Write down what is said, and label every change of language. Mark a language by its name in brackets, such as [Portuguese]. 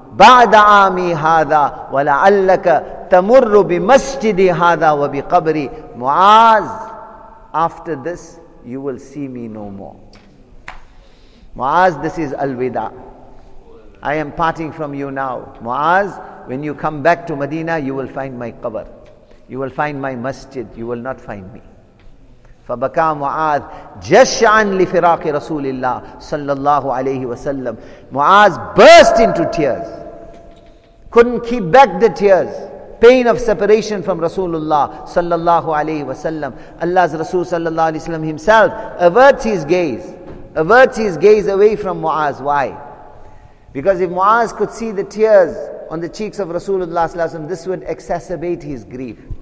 [Arabic] بعد عامي هذا ولعلك تمر بمسجدي هذا وبقبري معاذ. [English] After this, you will see me no more. Muaz, this is al-wida. I am parting from you now. Muaz, when you come back to Medina, you will find my qabr. You will find my masjid. You will not find me. [Arabic] فبكى معاذ جشعا لفراق رسول الله صلى الله عليه وسلم. [English] Muaz burst into tears. Couldn't keep back the tears. Pain of separation from Rasulullah sallallahu alayhi wa sallam. Allah's Rasul sallallahu alayhi wa sallam himself averts his gaze away from Muaz. Why? Because if Muaz could see the tears on the cheeks of Rasulullah sallallahu alayhi wa sallam, this would exacerbate his grief.